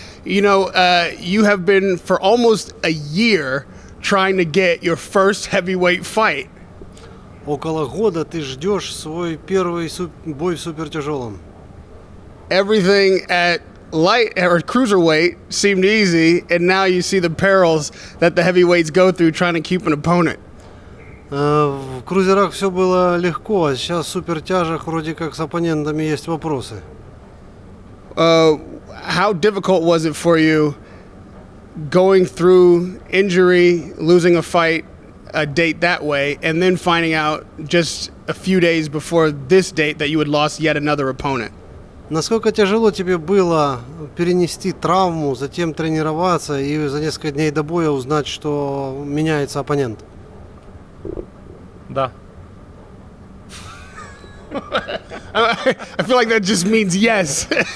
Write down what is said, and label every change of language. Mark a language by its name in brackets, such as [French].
[English] You know, you have been for almost a year trying to get your first heavyweight fight. [Russian] Около года ты ждешь свой первый бой в супертяжелом. [English] Everything at light or cruiserweight seemed easy, and now you see the perils that the heavyweights go through trying to keep an opponent. [Russian] В крузерах все было легко, а сейчас в супертяжах вроде как с оппонентами есть вопросы. [English] How difficult was it for you going through injury, losing a fight, a date that way, and then finding out just a few days before this date that you had lost yet another opponent? [Russian] Насколько тяжело тебе было перенести травму, затем тренироваться и за несколько дней до боя узнать, что меняется оппонент? Да. [English] I feel like that just means yes.